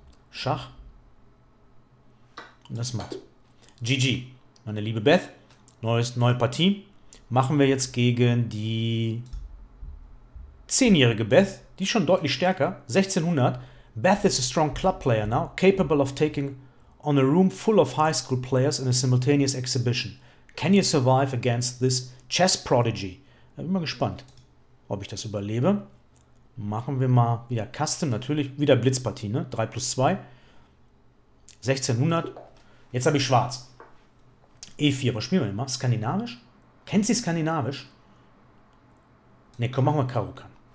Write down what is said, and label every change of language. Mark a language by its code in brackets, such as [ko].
[de] Schach. Und das ist Matt. GG, meine liebe Beth. Neue Partie. Machen wir jetzt gegen die 10-jährige Beth, die ist schon deutlich stärker. 1600. [en] Beth is a strong club player now, capable of taking on a room full of high school players in a simultaneous exhibition. Can you survive against this chess prodigy? [de] Bin mal gespannt, ob ich das überlebe. Machen wir mal wieder Custom, natürlich wieder Blitzpartie, ne? 3 plus 2. 1600. Jetzt habe ich Schwarz. E4, was spielen wir immer? Skandinavisch? Kennt sie Skandinavisch? Ne, komm, machen wir Karo Kann.